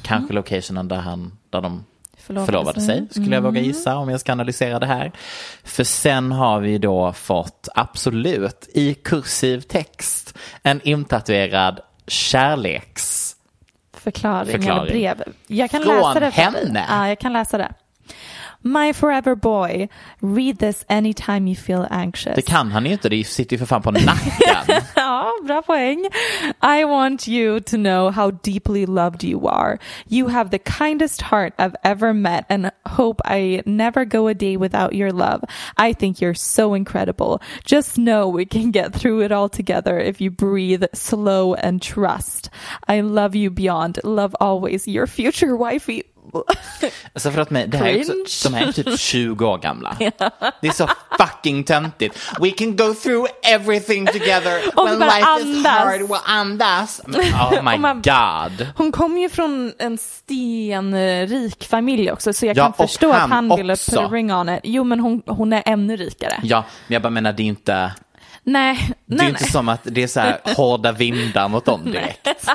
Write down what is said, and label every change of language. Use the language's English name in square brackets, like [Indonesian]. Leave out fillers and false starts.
[Swedish] Kanske locationen där de förlovade sig. Skulle jag våga gissa om jag ska analysera det här. För sen har vi då fått absolut i kursiv text en intatuerad kärleksförklaring. Brev. Jag kan från läsa det för henne. Ja, jag kan läsa det. [English] My forever boy, read this anytime you feel anxious. [Swedish] Det kan han ju inte, det sitter ju för fan på nacken. Ja, bra poäng. [English] I want you to know how deeply loved you are. You have the kindest heart I've ever met and hope I never go a day without your love. I think you're so incredible. Just know we can get through it all together if you breathe slow and trust. I love you beyond. Love always, your future wifey. [Swedish] Alltså för att med, det här är också, de här är typ 20 år gamla. Det är så fucking töntigt. [English] We can go through everything together. [Swedish] Och [English] when life [Swedish] andas. [English] Is hard, we'll [Swedish] andas. [English] Oh my man, god. [Swedish] Hon kommer ju från en stenrik familj också. Så jag kan förstå han att han ville [English] put a ring on it. [Swedish] Jo, men hon är ännu rikare. Ja, men jag bara menar, det är inte... Nej, det är inte som att det är så här hårda vindar mot dem direkt.